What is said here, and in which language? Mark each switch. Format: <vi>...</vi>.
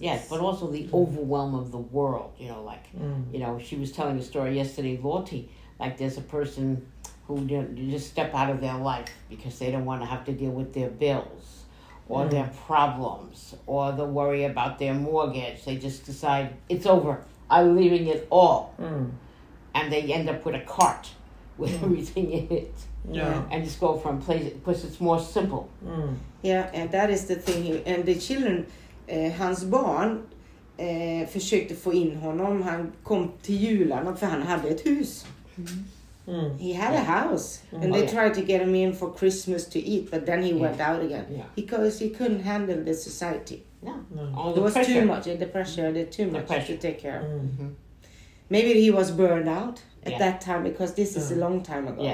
<en>Yes, but also the overwhelm of the world. You know, like, you know, she was telling a story yesterday, Lottie, like there's a person who just step out of their life because they don't want to have to deal with their bills or their problems or the worry about their mortgage. They just decide, it's over. I'm leaving it all. Mm. And they end up with a cart with everything in it. Yeah. And just go from place, because it's more simple. Mm. Yeah, and that is the thing. And the children,</en> <sv>hans barn, försökte få in honom. Han kom till julen, för han hade ett hus. Mm.</sv> <en>He had a house. Mm. And they tried to get him in for Christmas to eat, but then he went out again. Yeah. Because he couldn't handle the society. No. There was pressure. Too much. The pressure, too much pressure. To take care of. Mm-hmm. Maybe he was burned out at that time, because this is a long time ago.</en>